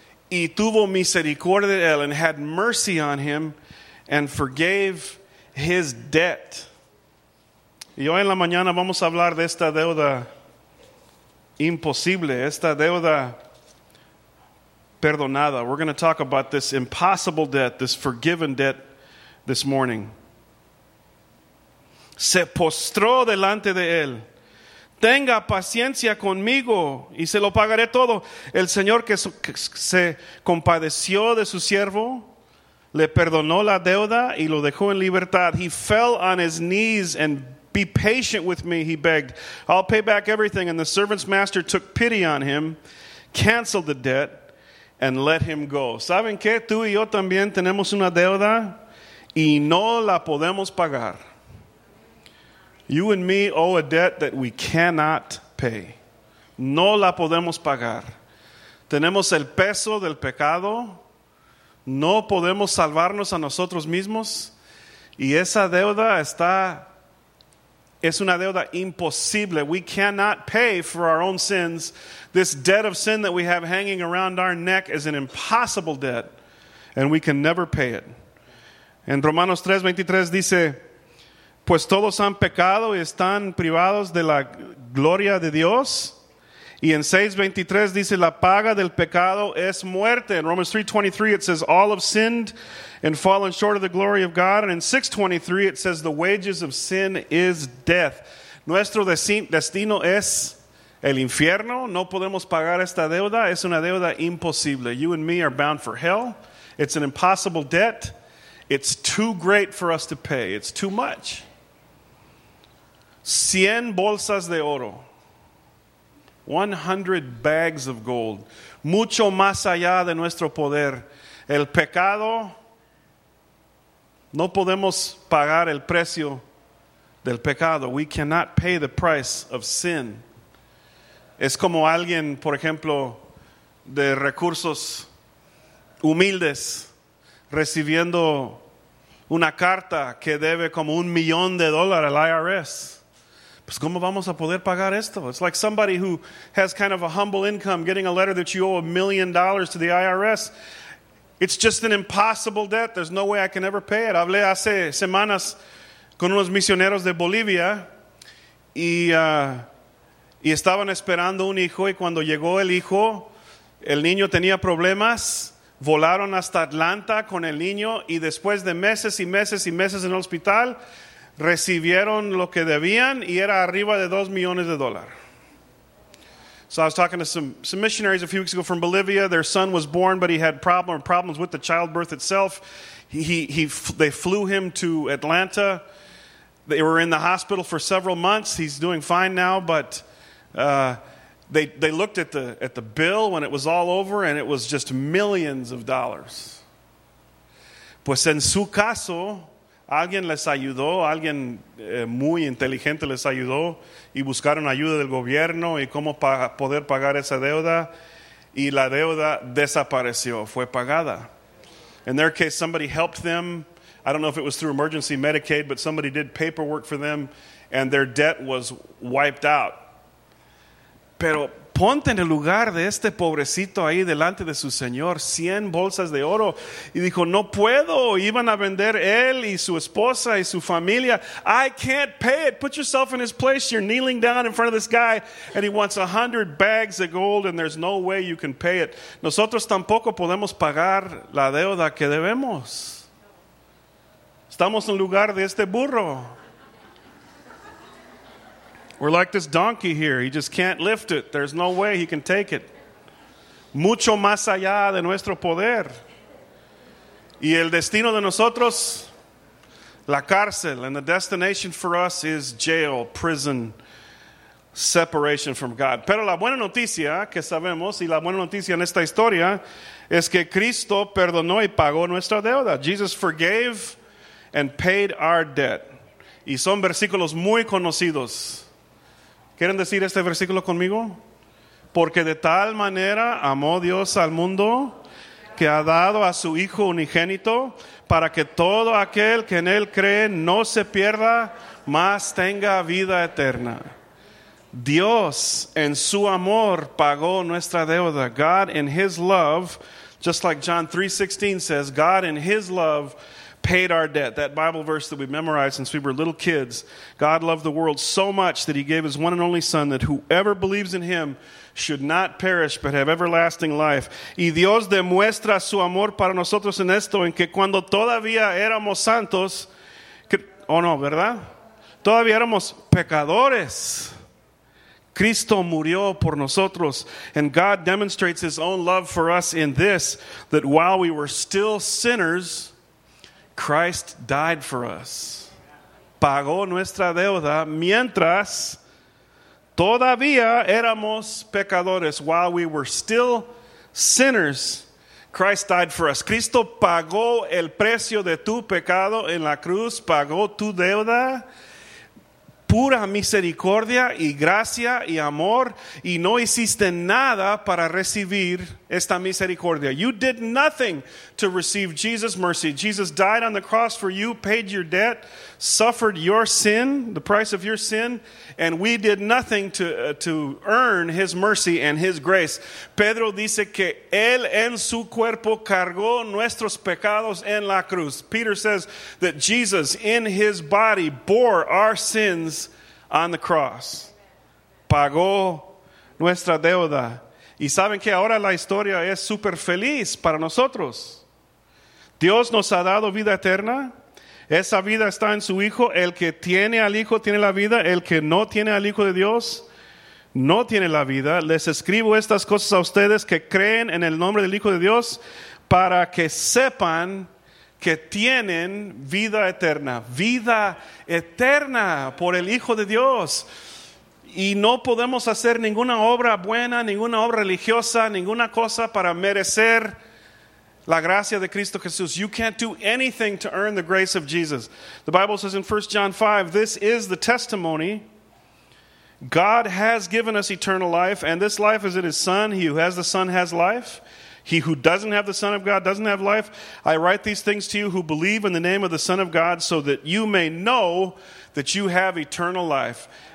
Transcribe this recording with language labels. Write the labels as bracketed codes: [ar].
[es] Y tuvo misericordia de él [en] and had mercy on him and forgave his debt. [es] Y hoy en la mañana vamos a hablar de esta deuda imposible, esta deuda perdonada. [en] We're going to talk about this impossible debt, this forgiven debt this morning. [es] Se postró delante de él. Tenga paciencia conmigo y se lo pagaré todo. El Señor que se compadeció de su siervo, le perdonó la deuda y lo dejó en libertad. [en] He fell on his knees and be patient with me, he begged. I'll pay back everything. And the servant's master took pity on him, canceled the debt, and let him go. [es] ¿Saben qué? Tú y yo también tenemos una deuda y no la podemos pagar. [en] You and me owe a debt that we cannot pay. [es] No la podemos pagar. Tenemos el peso del pecado. No podemos salvarnos a nosotros mismos. Y esa deuda está... Es una deuda imposible. [en] We cannot pay for our own sins. This debt of sin that we have hanging around our neck is an impossible debt. And we can never pay it. [es] En Romanos 3:23 dice... Pues todos han pecado y están privados de la gloria de Dios. Y en 6:23 dice, la paga del pecado es muerte. [en] In Romans 3:23 it says, all have sinned and fallen short of the glory of God. And in 6:23 it says, the wages of sin is death. [es] Nuestro destino es el infierno. No podemos pagar esta deuda. Es una deuda imposible. [en] You and me are bound for hell. It's an impossible debt. It's too great for us to pay. It's too much. [es] 100 bolsas de oro. [en] 100 bags of gold. [es] Mucho más allá de nuestro poder. El pecado. No podemos pagar el precio del pecado. [en] We cannot pay the price of sin. [es] Es como alguien, por ejemplo, de recursos humildes, recibiendo una carta que debe como $1,000,000 al IRS. Pues, ¿cómo vamos a poder pagar esto? [en] It's like somebody who has kind of a humble income getting a letter that you owe $1,000,000 to the IRS. It's just an impossible debt. There's no way I can ever pay it. [es] Hablé hace semanas con unos misioneros de Bolivia y estaban esperando un hijo y cuando llegó el hijo, el niño tenía problemas. Volaron hasta Atlanta con el niño y después de meses y meses y meses en el hospital, recibieron lo que debían y era arriba de $2,000,000. [en] So I was talking to some missionaries a few weeks ago from Bolivia. Their son was born, but he had problems with the childbirth itself. They flew him to Atlanta. They were in the hospital for several months. He's doing fine now, but... They looked at the bill when it was all over, and it was just millions of dollars. [es] Pues en su caso, alguien les ayudó, alguien muy inteligente les ayudó, y buscaron ayuda del gobierno y cómo poder pagar esa deuda, y la deuda desapareció, fue pagada. [en] In their case, somebody helped them. I don't know if it was through emergency Medicaid, but somebody did paperwork for them, and their debt was wiped out. [es] Pero ponte en el lugar de este pobrecito ahí delante de su señor, 100 bolsas de oro. Y dijo, no puedo. Iban a vender él y su esposa y su familia. [en] I can't pay it. Put yourself in his place. You're kneeling down in front of this guy and he wants 100 bags of gold and there's no way you can pay it. [es] Nosotros tampoco podemos pagar la deuda que debemos. Estamos en el lugar de este burro. [en] We're like this donkey here. He just can't lift it. There's no way he can take it. [es] Mucho más allá de nuestro poder. Y el destino de nosotros, la cárcel. [en] And the destination for us is jail, prison, separation from God. [es] Pero la buena noticia que sabemos y la buena noticia en esta historia es que Cristo perdonó y pagó nuestra deuda. [en] Jesus forgave and paid our debt. [es] Y son versículos muy conocidos. ¿Quieren decir este versículo conmigo? Porque de tal manera amó Dios al mundo que ha dado a su Hijo unigénito para que todo aquel que en Él cree no se pierda, mas tenga vida eterna. Dios en su amor pagó nuestra deuda. [en] God in His love, just like John 3:16 says, God in His love paid our debt. That Bible verse that we memorized since we were little kids. God loved the world so much that He gave His one and only Son that whoever believes in Him should not perish but have everlasting life. [es] Y Dios demuestra su amor para nosotros en esto, en que cuando todavía éramos santos, ¿verdad? Todavía éramos pecadores. Cristo murió por nosotros. [en] And God demonstrates His own love for us in this, that while we were still sinners, Christ died for us. [es] Pagó nuestra deuda mientras todavía éramos pecadores. [en] While we were still sinners, Christ died for us. [es] Cristo pagó el precio de tu pecado en la cruz, pagó tu deuda. Pura misericordia y gracia y amor, y no hiciste nada para recibir esta misericordia. [en] You did nothing to receive Jesus' mercy. Jesus died on the cross for you, paid your debt, suffered your sin, the price of your sin, and we did nothing to earn His mercy and His grace. [es] Pedro dice que Él en su cuerpo cargó nuestros pecados en la cruz. [en] Peter says that Jesus in His body bore our sins on the cross. [es] Pagó nuestra deuda. Y saben que ahora la historia es súper feliz para nosotros. Dios nos ha dado vida eterna. Esa vida está en su Hijo. El que tiene al Hijo tiene la vida. El que no tiene al Hijo de Dios no tiene la vida. Les escribo estas cosas a ustedes que creen en el nombre del Hijo de Dios para que sepan que tienen vida eterna. Vida eterna por el Hijo de Dios. Y no podemos hacer ninguna obra buena, ninguna obra religiosa, ninguna cosa para merecer la gracia de Cristo Jesús. [en] You can't do anything to earn the grace of Jesus. The Bible says in 1 John 5, this is the testimony. God has given us eternal life, and this life is in His Son. He who has the Son has life. He who doesn't have the Son of God doesn't have life. I write these things to you who believe in the name of the Son of God so that you may know that you have eternal life.